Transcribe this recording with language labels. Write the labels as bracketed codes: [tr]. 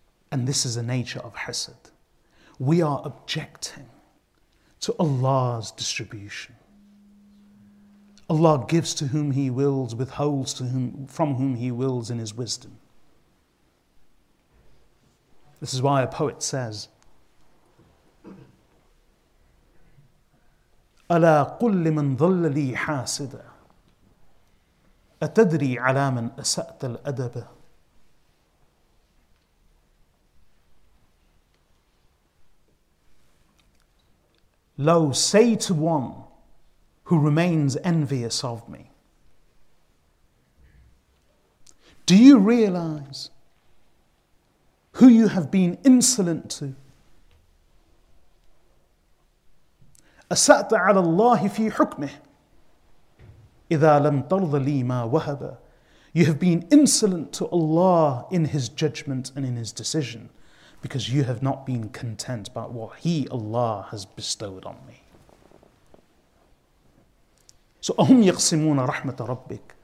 [en] And this is the nature of hasad. We are objecting to Allah's distribution. Allah gives to whom He wills, withholds to whom, from whom He wills in His wisdom. This is why a poet says, [ar] أَلَا قُلْ لِمَنْ ظَلَّ لِي حَاسِدًا أَتَدْرِي عَلَى مَنْ أَسَأْتَ الْأَدَبَ. [en] Lo, say to one who remains envious of me, do you realize who you have been insolent to? [ar] أَسَأْتَ عَلَى اللَّهِ فِي حُكْمِهِ إِذَا لَمْ تَرْضَ لِي مَا وَهَبَ. [en] You have been insolent to Allah in His judgment and in His decision because you have not been content about what He, Allah, has bestowed on me. [ar] So, أَهُمْ يَقْسِمُونَ رَحْمَةَ رَبِّكَ.